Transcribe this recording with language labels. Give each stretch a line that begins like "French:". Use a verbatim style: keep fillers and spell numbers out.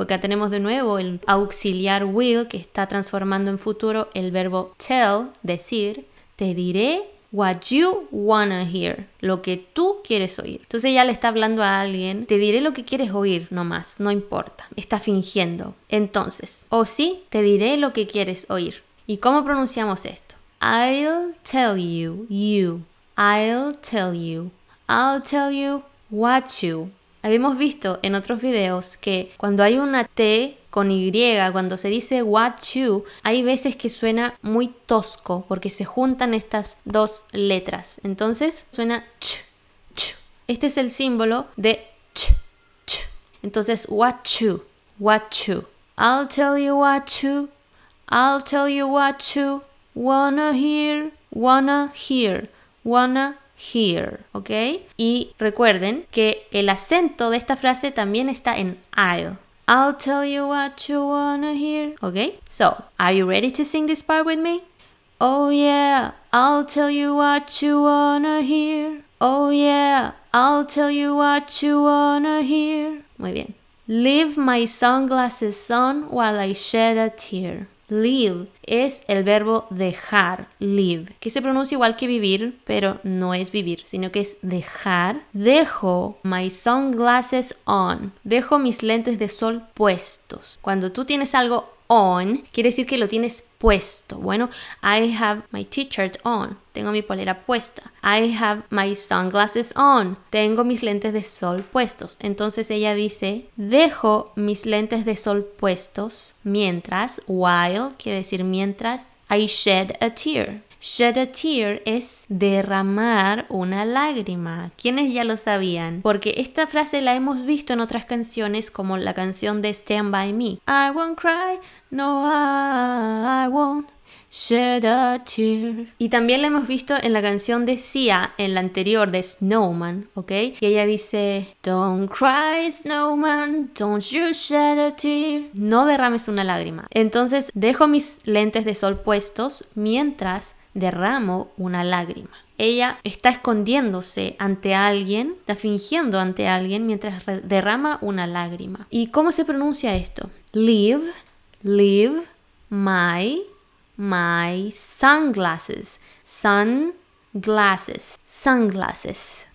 Spanish: Acá tenemos de nuevo el auxiliar will, que está transformando en futuro el verbo tell, decir. Te diré
English: what you wanna hear,
Spanish: lo que tú quieres oír. Entonces ella le está hablando a alguien, te diré lo que quieres oír nomás, no importa, está fingiendo. Entonces, o sí, te diré lo que quieres oír. ¿Y cómo pronunciamos esto?
English: I'll tell you, you, I'll tell you, I'll tell you what you.
Spanish: Habíamos visto en otros videos que cuando hay una T con Y, cuando se dice
English: what you,
Spanish: hay veces que suena muy tosco porque se juntan estas dos letras. Entonces suena ch, ch. Este es el símbolo de ch, ch.
English: Entonces what you, what you. I'll tell you what you, I'll tell you what you wanna hear, wanna hear, wanna hear. ¿Ok?
Spanish: Y recuerden que el acento de esta frase también está en I'll.
English: I'll tell you what you wanna hear. Okay? So, are you ready to sing this part with me? Oh yeah, I'll tell you what you wanna hear. Oh yeah, I'll tell you what you wanna hear.
Spanish: Muy bien.
English: Leave my sunglasses on while I shed a tear.
Spanish: Leave es el verbo dejar, leave, que se pronuncia igual que vivir, pero no es vivir, sino que es dejar. Dejo
English: my sunglasses on,
Spanish: dejo mis lentes de sol puestos. Cuando tú tienes algo on, quiere decir que lo tienes puesto. Bueno,
English: I have my t-shirt on,
Spanish: tengo mi polera puesta.
English: I have my sunglasses on,
Spanish: tengo mis lentes de sol puestos. Entonces ella dice, dejo mis lentes de sol puestos mientras, while, quiere decir mientras,
English: I shed a tear. Shed a tear
Spanish: es derramar una lágrima. ¿Quiénes ya lo sabían? Porque esta frase la hemos visto en otras canciones, como la canción de Stand By Me.
English: I won't cry, no I won't shed a tear.
Spanish: Y también la hemos visto en la canción de Sia, en la anterior de Snowman, ¿ok? Y ella dice,
English: don't cry snowman, don't you shed a tear.
Spanish: No derrames una lágrima. Entonces dejo mis lentes de sol puestos mientras derramo una lágrima. Ella está escondiéndose ante alguien, está fingiendo ante alguien mientras derrama una lágrima. ¿Y cómo se pronuncia esto?
English: Leave, leave my, my sunglasses, sun, glasses, sunglasses.